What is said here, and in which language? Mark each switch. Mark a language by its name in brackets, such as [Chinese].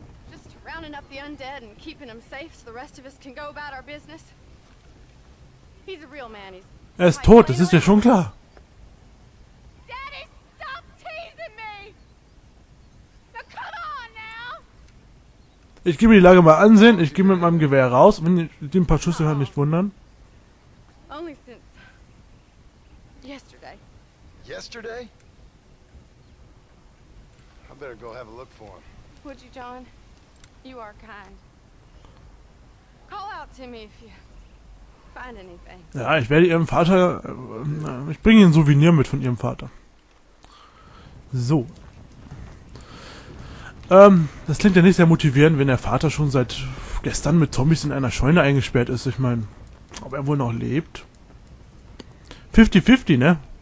[English] Just rounding up the undead and keeping them safe so the rest of us can go about our business. He's a real man. He's [German] er ist tot, das ist ja schon klar. [English] Daddy, stop teasing me! Now come on now! [German] Ich gehe mir die Lage mal ansehen, ich gehe mit meinem Gewehr raus, wenn die ein paar Schüsse hören, nicht wundern. [English] Only since yesterday. Yesterday? Better go have a look for him. Would you, John? You are kind. Call out to me if you find anything. [German] Ja, ich werde ihrem Vater ich bringe ihnen ein Souvenir mit von ihrem Vater. So. Das klingt ja nicht sehr motivierend, wenn der Vater schon seit gestern mit Zombies in einer Scheune eingesperrt ist. Ich meine, ob er wohl noch lebt. 50-50, ne?